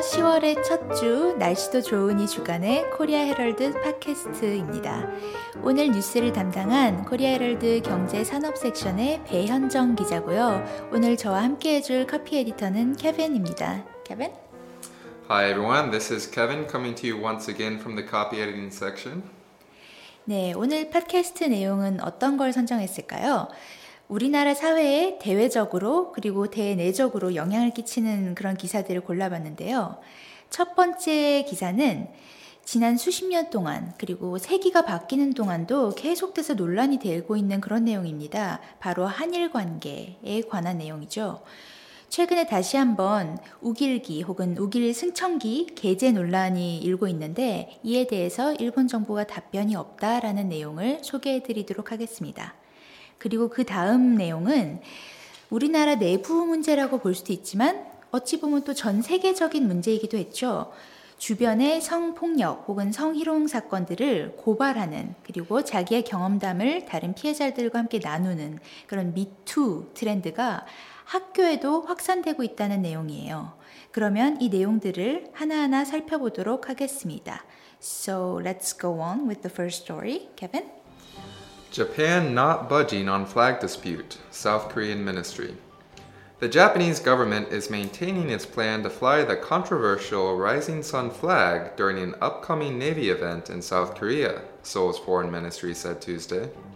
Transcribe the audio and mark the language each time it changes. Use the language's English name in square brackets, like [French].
[Korean] 10월의 첫 주, 날씨도 좋으니 주간의 코리아 헤럴드 팟캐스트입니다. 오늘 뉴스를 담당한 코리아 헤럴드 경제산업 섹션의 배현정 기자고요. 오늘 저와 함께 해줄 커피 에디터는 케빈입니다. 케빈? [English] Hi everyone, this is Kevin coming to you once again from the copy editing section. [Korean] 네, 오늘 팟캐스트 내용은 어떤 걸 선정했을까요? 우리나라 사회에 대외적으로 그리고 대내적으로 영향을 끼치는 그런 기사들을 골라봤는데요. 첫 번째 기사는 지난 수십 년 동안 그리고 세기가 바뀌는 동안도 계속돼서 논란이 되고 있는 그런 내용입니다. 바로 한일 관계에 관한 내용이죠. 최근에 다시 한번 우길기 혹은 우길 승천기 게재 논란이 일고 있는데 이에 대해서 일본 정부가 답변이 없다라는 내용을 소개해드리도록 하겠습니다. 그리고 그 다음 내용은 우리나라 내부 문제라고 볼 수도 있지만 어찌 보면 또 전 세계적인 문제이기도 했죠. 주변의 성폭력 혹은 성희롱 사건들을 고발하는 그리고 자기의 경험담을 다른 피해자들과 함께 나누는 그런 미투 트렌드가 학교에도 확산되고 있다는 내용이에요. 그러면 이 내용들을 하나하나 살펴보도록 하겠습니다. [English] So let's go on with the first story, Kevin. Japan not budging on flag dispute, South Korean ministry. The Japanese government is maintaining its plan to fly the controversial Rising Sun flag during an upcoming Navy event in South Korea, Seoul's foreign ministry said Tuesday.